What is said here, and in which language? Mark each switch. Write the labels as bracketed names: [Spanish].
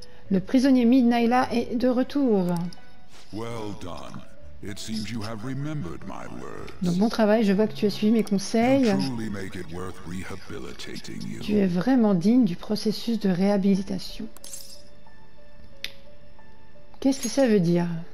[French] Le prisonnier Midnayla est de retour. [English] Well done. It seems you have remembered my words. [French] Donc bon travail, je vois que tu as suivi mes conseils. [English] You truly make it worth rehabilitating you. [French] Tu es vraiment digne du processus de réhabilitation. Qu'est-ce que ça veut dire?